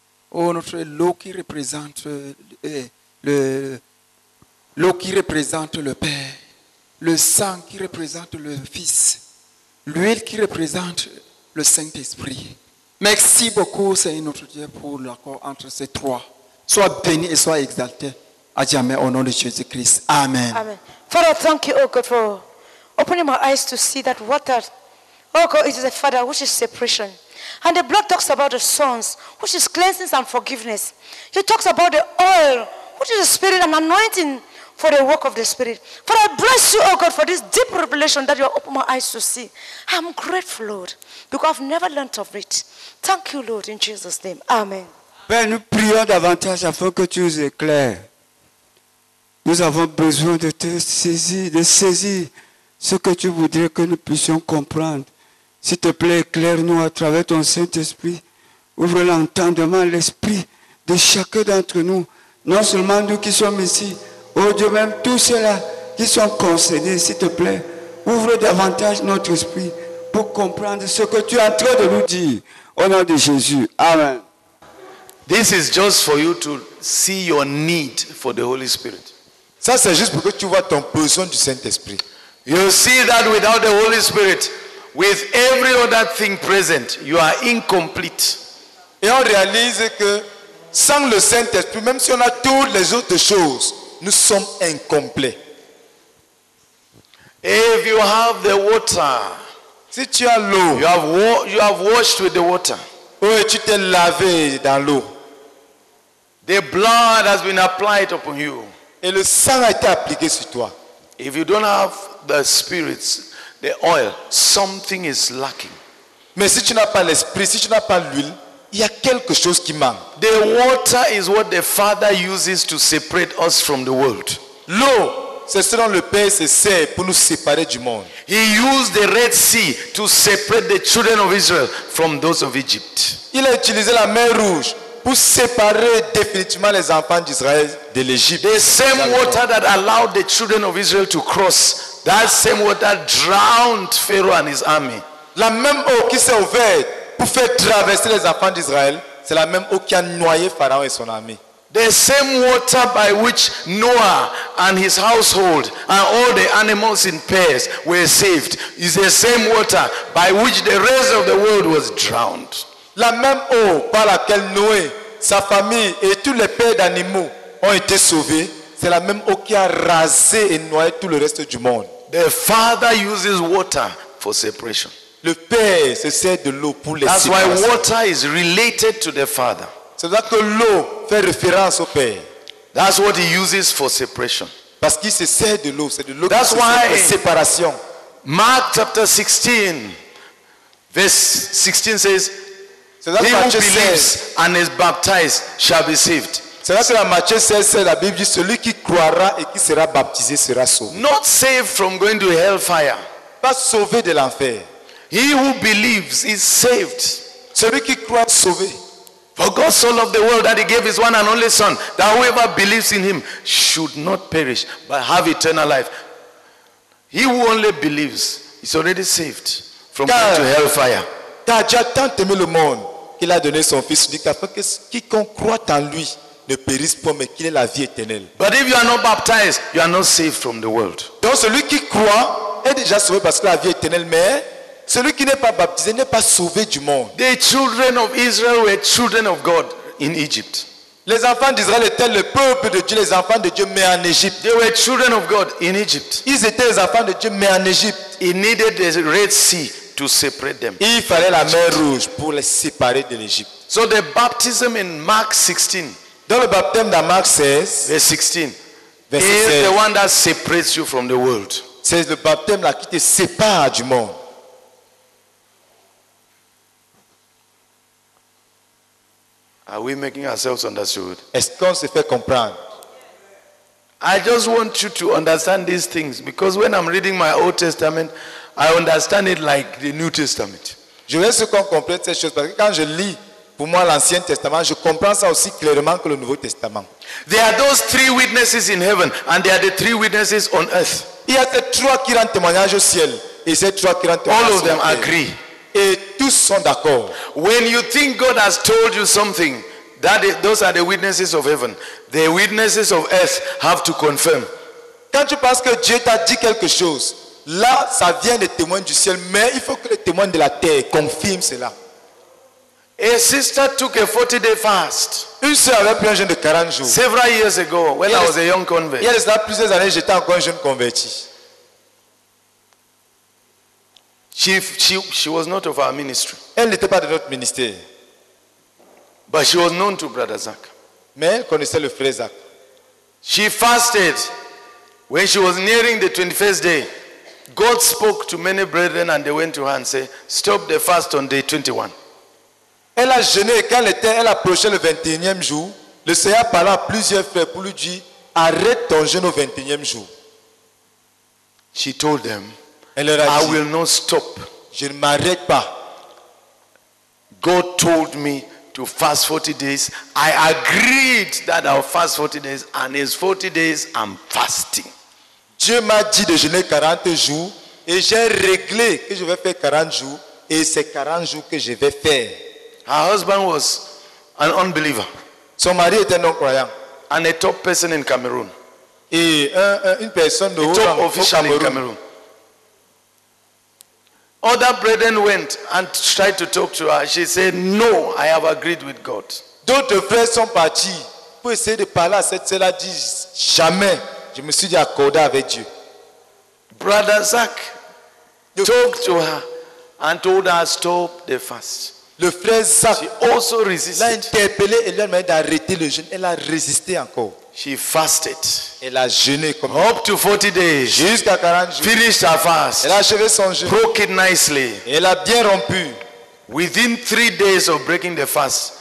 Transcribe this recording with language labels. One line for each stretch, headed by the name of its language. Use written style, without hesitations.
French: Ô notre l'eau qui représente l'eau qui représente le Père, le sang qui représente le Fils, l'huile qui représente le Saint-Esprit. Merci beaucoup, Seigneur notre Dieu, pour l'accord entre ces trois. Sois béni et sois exalté à jamais au nom de Jésus-Christ. Amen. Amen.
English: Father, thank you, oh God, for opening my eyes to see that water, oh God, is a Father which is separation. And the blood talks about the sons, which is cleansing and forgiveness. It talks about the oil, which is the Spirit, and anointing for the work of the Spirit. Father, I bless you, oh God, for this deep revelation that you have opened my eyes to see. I'm grateful, Lord, because I've never learned of it. Thank you, Lord, in Jesus' name. Amen.
French: Père, nous prions davantage afin que tu nous éclaires. Nous avons besoin de te saisir, de saisir ce que tu voudrais que nous puissions comprendre. S'il te plaît, éclaire-nous à travers ton Saint-Esprit. Ouvre l'entendement, l'esprit de chacun d'entre nous. Non seulement nous qui sommes ici, oh Dieu, même tous ceux-là qui sont concernés, s'il te plaît. Ouvre davantage notre esprit pour comprendre ce que tu es en train de nous dire. Au nom de Jésus. Amen.
English: This is just for you to see your need for the Holy Spirit.
French: Ça, c'est juste pour que tu vois ton besoin du Saint-Esprit.
English: You see that without the Holy Spirit, with every other thing present, you are incomplete.
French: Et on réalise que Sans le Saint-Esprit, même si on a toutes les autres choses, nous sommes incomplets.
English: If you have the water,
French: si tu as l'eau,
English: you have washed with the water.
French: Oui, tu t'es lavé dans l'eau.
English: The blood has been applied upon you.
French: Et le sang a été appliqué sur toi.
English: If you don't have the Spirit, the oil, something is lacking.
French: Mais si tu n'as pas l'esprit, si tu n'as pas l'huile, il y a quelque chose qui manque.
English: The water is what the Father uses to separate us from the world.
French: L'eau, c'est ce dont le Père se sert pour nous séparer du monde.
English: He used the Red Sea to separate the children of Israel from those of Egypt.
French: Il a utilisé la mer Rouge pour séparer définitivement les enfants d'Israël de l'Égypte.
English: The same water that allowed the children of Israel to cross, that same water drowned Pharaoh and his army.
French: La même eau qui s'est ouverte pour faire traverser les enfants d'Israël, c'est la même eau qui a noyé Pharaon et son armée.
English: The same water by which Noah and his household and all the animals in pairs were saved is the same water by which the rest of the world was drowned.
French: La même eau par laquelle Noé, sa famille et tous les pères d'animaux ont été sauvés, c'est la même eau qui a rasé et noyé tout le reste du monde.
English: The Father uses water for separation.
French: Le Père se sert de l'eau pour les séparations.
English: That's why water is related to the Father.
French: C'est pour ça que l'eau fait référence au Père.
English: That's what he uses for separation.
French: Parce qu'il se sert de l'eau, c'est de l'eau qui se sert pour séparation.
English: Mark chapter 16, verse 16 says, he who believes and is baptized shall be saved.
French: C'est là que dans Matthieu 16, c'est la Bible dit, celui qui croira et qui sera baptisé sera sauvé.
English: Not saved from going to hellfire.
French: Pas sauvé de l'enfer.
English: He who believes is saved.
French: Celui qui croit sauvé.
English: For God so loved the world that he gave his one and only son, that whoever believes in him should not perish but have eternal life. He who only believes is already saved from going to hellfire.
French: Car Dieu a tant aimé le monde qu'il a donné son fils unique afin que quiconque croit en lui ne périsse pas mais qu'il ait la vie éternelle.
English: But if you are not baptized, you are not saved from the world.
French: Donc celui qui croit est déjà sauvé parce que la vie éternelle, mais celui qui n'est pas baptisé n'est pas sauvé du monde.
English: The children of Israel were children of God in Egypt.
French: Les enfants d'Israël étaient le peuple de Dieu, les enfants de Dieu, mais en Égypte.
English: They were children of God in Egypt.
French: Ils étaient les enfants de Dieu, mais en Égypte.
English: He needed the Red Sea to separate them.
French: Il fallait la mer Rouge pour les séparer de l'Égypte.
English: So the baptism in Mark 16.
French: Dans le baptême dans Mark 16.
English: Verse 16. Is the one that separates you from the world.
French: C'est le baptême là qui te sépare du monde.
English: Are we making ourselves understood?
French: Est-ce qu'on se fait comprendre?
English: I just want you to understand these things because when I'm reading my Old Testament, I understand it like the New Testament.
French: Je veux qu'on comprenne ces choses parce que quand je lis pour moi l'Ancien Testament, je comprends ça aussi clairement que le Nouveau Testament.
English: There are those three witnesses in heaven and there are the three witnesses on earth.
French: Il y a ces trois qui rendent témoignage au ciel et ces trois qui rendent témoignage.
English: All of them agree.
French: Et tous sont d'accord.
English: When you think God has told you something, that is, those are the witnesses of heaven. The witnesses of earth have to confirm.
French: Quand tu penses que Dieu t'a dit quelque chose, là, ça vient des témoins du ciel, mais il faut que les témoins de la terre confirment cela.
English: A sister took a 40-day fast.
French: Une sœur avait pris un jeûne de 40 jours.
English: Several years ago, when I was a young convert.
French: Il y a plusieurs années, j'étais encore un jeune converti.
English: She was not of our ministry.
French: Elle n'était pas de notre ministère.
English: But she was known to Brother Zach.
French: Mais elle connaissait le frère Zach.
English: She fasted. When she was nearing the 21st day, God spoke to many brethren and they went to her and said, stop the fast on day 21.
French: Elle a jeûné et quand elle approchait le 21e jour, le Seigneur parla à plusieurs frères pour lui dire, arrête ton jeûne au 21e jour.
English: She told them,
French: elle leur a dit,
English: I will not stop.
French: Je ne m'arrête pas.
English: God told me to fast 40 days. I agreed that I'll fast 40 days and it's 40 days I'm fasting.
French: Dieu m'a dit de jeûner 40 jours et j'ai réglé que je vais faire 40 jours et c'est 40 jours que je vais faire.
English: Her husband was an unbeliever.
French: Son mari était non-croyant.
English: And a top person in Cameroon.
French: Et une personne de
English: top official in Cameroon. Other brethren went and tried to talk to her. She said, no, I have agreed with God.
French: D'autres frères sont partis pour essayer de parler à cette sœur-là. Dit jamais je me suis dit accordé avec Dieu.
English: Brother Zach talked to her and told her stop the fast.
French: Le frère Zach
English: also resisted.
French: L'a interpellé et lui a demandé d'arrêter le jeûne. Elle a résisté encore.
English: She fasted.
French: Elle a jeûné comme
English: up to 40 days.
French: Jusqu'à 40 jours.
English: Finished her fast.
French: Elle a achevé son jeûne.
English: Broke it nicely.
French: Elle a bien rompu.
English: Within 3 days of breaking the fast,